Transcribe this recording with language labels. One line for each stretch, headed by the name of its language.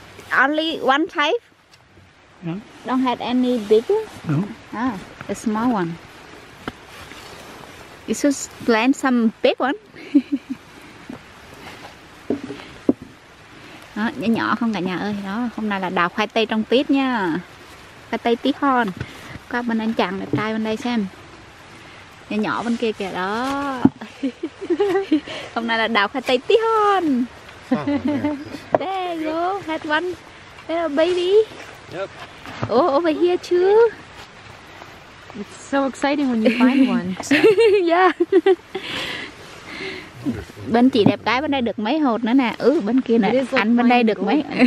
English: Only one type? Yeah. Don't have any bigger? No. Ah, a small one. You should plant some big one.
Vietnamese: Đó, nhỏ nhỏ không cả nhà ơi. Đó, hôm nay là đào khoai tây trong tuyết nha. Khoai tây tí hon. Có bên anh chàng đẹp trai bên đây xem. Nhỏ nhỏ bên kia kìa đó. Hôm nay là đào khoai tây tí hon.
English: There you go, had one little baby. Yep. Oh, over here too. It's so exciting when you find one. Yeah.
Vietnamese: Bên chị đẹp gái bên đây được mấy hột nữa nè. Ừ, bên kia nè, anh bên đây được mấy.